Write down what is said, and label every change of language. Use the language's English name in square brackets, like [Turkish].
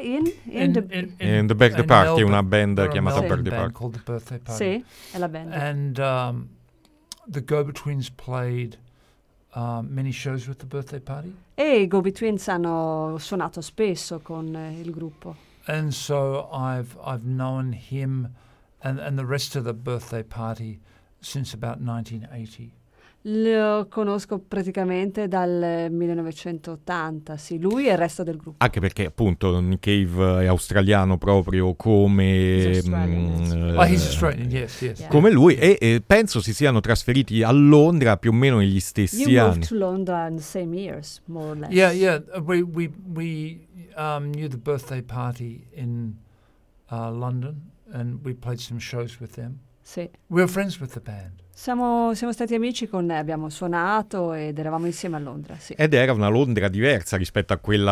[Italian] in the Birthday Party, una band chiamata Birthday Party. [English] Called The Birthday Party. [Italian] Sì, è la band. [English] And the Go-Betweens played many shows with The Birthday Party. [Italian] E i Go-Betweens hanno suonato spesso con il gruppo. [English] And so I've known him and the rest of the Birthday Party since about 1980. [Italian] Lo conosco praticamente dal 1980, sì, lui e il resto del gruppo. Anche perché appunto Nick Cave è australiano proprio come come lui e penso si siano trasferiti a Londra più o meno negli stessi anni. [English] You moved to London in the same years, more or less. Yeah, yeah, we knew the Birthday Party in London and we played some shows with them. [Italian] Sì. [English] We were friends with the band. [Italian] Siamo stati amici con abbiamo suonato ed eravamo insieme a Londra, sì. Ed era una Londra diversa rispetto a quella